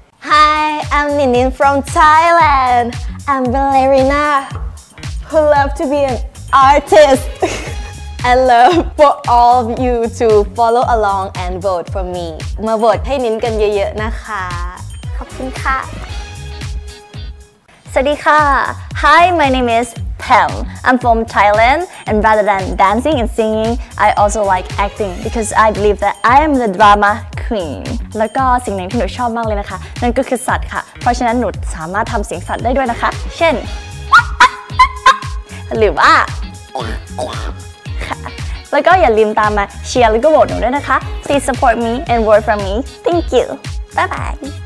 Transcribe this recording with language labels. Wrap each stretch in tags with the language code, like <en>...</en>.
<en>Hi I'm Ninin from Thailand I'm ballerina who love to be an artist I love for all of you to follow along and vote for me</en> <th>มาโหวตให้นินกันเยอะๆนะคะ ขอบคุณค่ะ สวัสดีค่ะ</th> <en>Hi my name is Pam I'm from Thailand and rather than dancing and singing I also like acting because I believe that I am the drama queen</en> <th>แล้วก็สิ่งหนึ่งที่หนูชอบมากเลยนะคะนั่นก็คือสัตว์ค่ะเพราะฉะนั้นหนูสามารถทำเสียงสัตว์ได้ด้วยนะคะเช่นหรือว่าค่ะแล้วก็อย่าลืมตามมาเชียร์แล้วก็โหวตหนูด้วยนะคะ</th> <en>Please support me and vote for me Thank you Bye bye</en>